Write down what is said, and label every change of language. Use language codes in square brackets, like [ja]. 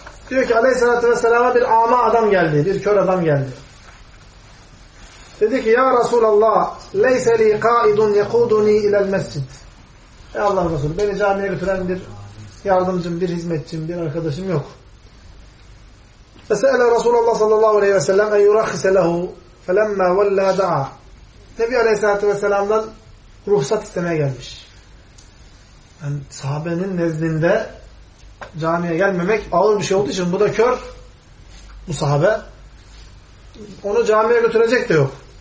[tr] Diyor ki Aleyhisselatü Vesselam'a bir ama adam geldi. Bir kör adam geldi. Dedi ki [ar] ya Resulallah leyse li kaidun yekuduni ilel mescid. [tr] Ey Allah'ın Resulü, beni camiye götüren bir yardımcım, bir hizmetçim, bir arkadaşım yok. [ar] فسأل رسول الله صلى الله عليه وسلم أن يرخص له فلما ولى دعا. [tr] Nebi Aleyhisselatü Vesselam'dan ruhsat istemeye gelmiş. Yani sahabenin nezdinde camiye gelmemek ağır bir şey olduğu için bu da kör, bu sahabe onu camiye götürecek de yok.